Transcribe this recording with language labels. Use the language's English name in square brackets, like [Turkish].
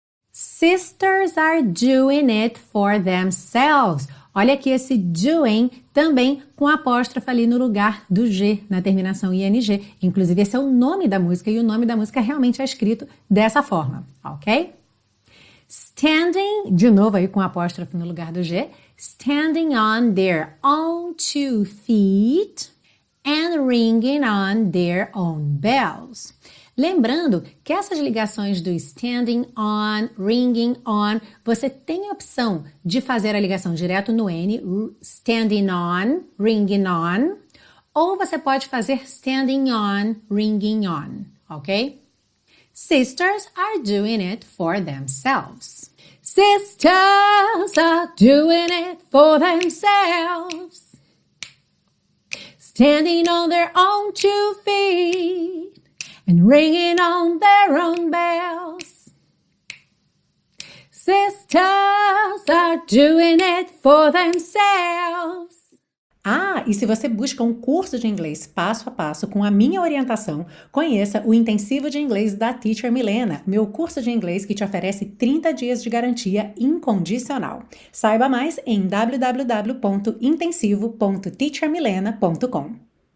[English] Sisters are doing it for themselves. [Portuguese] Olha aqui esse doing também com apóstrofe ali no lugar do G, na terminação ING. Inclusive, esse é o nome da música e o nome da música realmente é escrito dessa forma, ok? [English] Standing, [Portuguese] de novo aí com apóstrofe no lugar do G, [English] standing on their own two feet and ringing on their own bells. [Portuguese] Lembrando que essas ligações do [English] standing on, ringing on, [Portuguese] você tem a opção de fazer a ligação direto no N, standing on, ringing on, ou você pode fazer standing on, ringing on, ok? [English] Sisters are doing it for themselves. Sisters are doing it for themselves. Standing on their own two feet. And ringing on their own bells. Sisters are doing it for themselves. [Portuguese] Ah, e se você busca um curso de inglês passo a passo com a minha orientação, conheça o Intensivo de Inglês da Teacher Milena, meu curso de inglês que te oferece 30 dias de garantia incondicional. Saiba mais em www.intensivo.teachermilena.com.